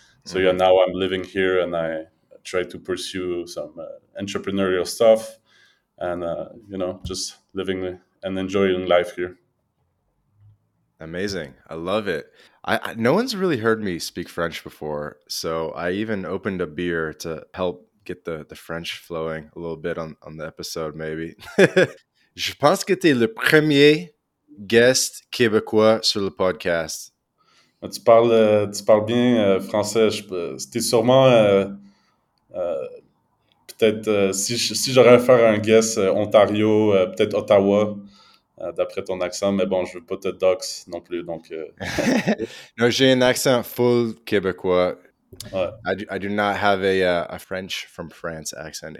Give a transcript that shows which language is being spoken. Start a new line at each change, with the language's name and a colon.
English: So yeah, now I'm living here and I try to pursue some entrepreneurial stuff and, just living and enjoying life here. Amazing. I love it. I no one's really heard me speak French before. So I even opened a beer to help get the French flowing a little bit on the episode, maybe.
French: Je pense que t'es le premier guest québécois sur le podcast. Tu parles bien français. C'était sûrement... peut-être si j'aurais à faire un guest, Ontario, peut-être Ottawa... d'après ton accent, mais bon, je veux pas te dox non plus, donc... Non, j'ai un accent full québécois. Ouais.
English: I do not have a French from France accent.